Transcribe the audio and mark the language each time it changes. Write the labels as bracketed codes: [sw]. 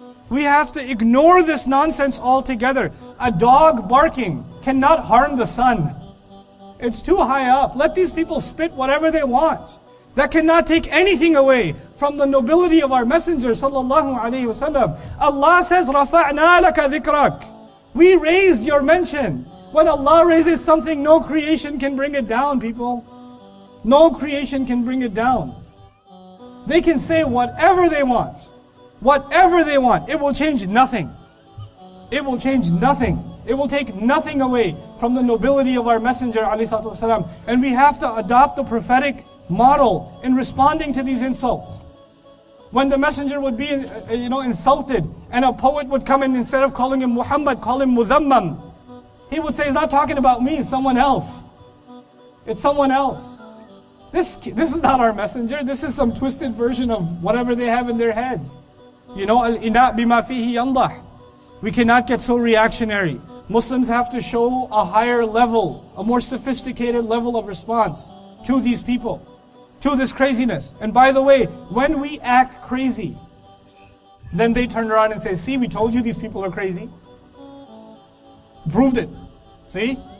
[en] We have to ignore this nonsense altogether. A dog barking cannot harm the sun. It's too high up. Let these people spit whatever they want. That cannot take anything away from the nobility of our Messenger, sallallahu alayhi wasallam. Allah says, [ar] رَفَعْنَا لَكَ ذِكْرَكَ. [en] We raised your mention. When Allah raises something, no creation can bring it down, people. No creation can bring it down. They can say whatever they want. Whatever they want. It will change nothing. It will change nothing. It will take nothing away from the nobility of our Messenger, alayhi salatu wasalam. And we have to adopt the prophetic model in responding to these insults. When the Messenger would be, you know, insulted, and a poet would come in, instead of calling him Muhammad, call him Muthammam. He would say, he's not talking about me, it's someone else. It's someone else. This is not our Messenger. This is some twisted version of whatever they have in their head. You know, [ar] إِنَا بِمَا فِيهِ يَنْضَحْ. [en] We cannot get so reactionary. Muslims have to show a higher level, a more sophisticated level of response to these people, to this craziness. And by the way, when we act crazy, then they turn around and say, see, we told you these people are crazy. Proved it. See?